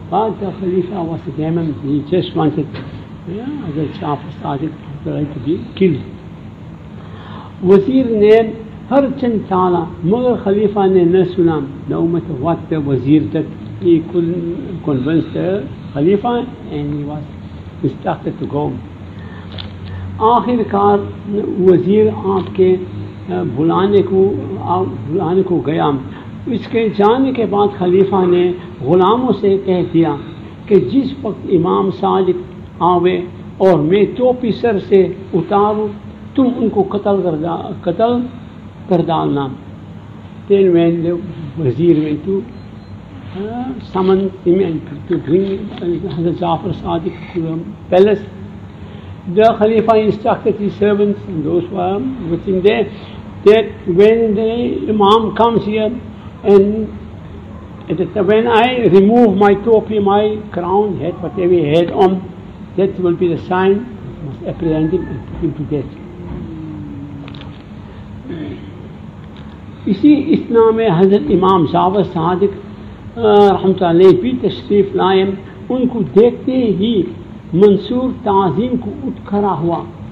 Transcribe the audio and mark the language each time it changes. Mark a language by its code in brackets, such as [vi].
[en] But the Khalifa was adamant, he just wanted the Jafar Sadiq to be killed. [ur] Wazir ne har chand taala, magar Khalifa ne na suna, [en] no matter what the wazir did, he couldn't convince the Khalifa and he was instructed to go. [ur] آخر کار وزیر آپ کے بلانے کو گیا. اس کے جانے کے بعد خلیفہ نے غلاموں سے کہہ دیا کہ جس وقت امام صادق آوے اور میں ٹوپی سر سے اتاروں تم ان کو قتل کر ڈالنا. [en] Then when the وزیر went to summon him and to bring Hazrat Jafar Sadiq to the palace. The Khalifa instructed his servants and those who are with him there that when the Imam comes here and that when I remove my topi, my crown, head, whatever he had on, that will be the sign that must apprehend him and put him to death. [ur] اسی اثناء میں حضرت امام جعفر صادق رحمت اللہ بھی تشریف لائم. ان کو دیکھتے ہی منصور تعظیم کو اٹھ کھڑا ہوا.